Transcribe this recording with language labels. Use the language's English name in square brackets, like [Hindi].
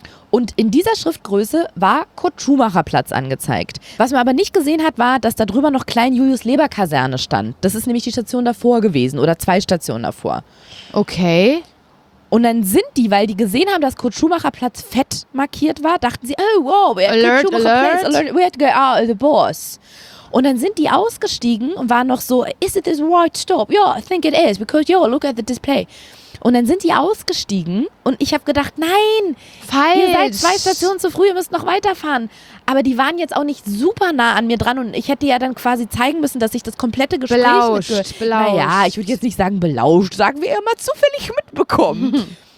[German] Und in dieser Schriftgröße war Kurt Schumacher Platz angezeigt. Was man aber nicht gesehen hat, war, dass da drüber noch Klein Julius Leber Kaserne stand. Das ist nämlich die Station davor gewesen oder zwei Stationen davor. Okay. Und dann sind die, weil die gesehen haben, dass Kurt Schumacher Platz fett markiert war, dachten sie, [English] oh wow, alert, Kurt Schumacher Platz, we had to go out of the bus. [German] Und dann sind die ausgestiegen und waren noch so, [English] is it this right stop? Yeah, I think it is, because, yo, look at the display. [German] Und dann sind die ausgestiegen und ich habe gedacht, nein, falsch. Ihr seid zwei Stationen zu früh, ihr müsst noch weiterfahren. Aber die waren jetzt auch nicht super nah an mir dran und ich hätte ja dann quasi zeigen müssen, dass ich das komplette Gespräch belauscht, belauscht. Naja, ich würde jetzt nicht sagen belauscht, sagen wir immer zufällig mitbekommen.